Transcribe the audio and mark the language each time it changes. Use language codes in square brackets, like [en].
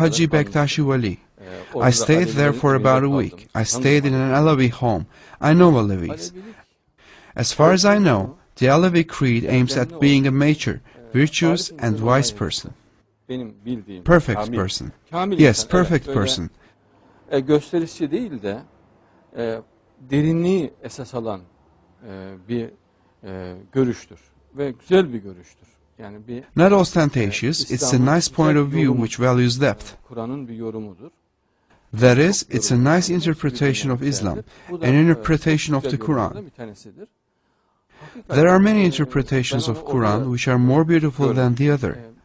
[tr] Haji kalmıştım. Bektashi Vali. [en] I stayed there for about a week. I stayed in an Alevi home. I know Alevis. As far as I know, the Alevi creed aims at being a mature, virtuous and wise person. Perfect person. Yes, perfect person. [tr] Gösterişçi değil de derinliği esas alan bir görüştür ve güzel bir görüştür. Yani bir [en] not ostentatious, it's a nice point of view which values depth. [tr] Kur'an'ın bir yorumudur. [en] That is, it's a nice interpretation of Islam, an interpretation of the Quran. There are many interpretations of Quran which are more beautiful than the other.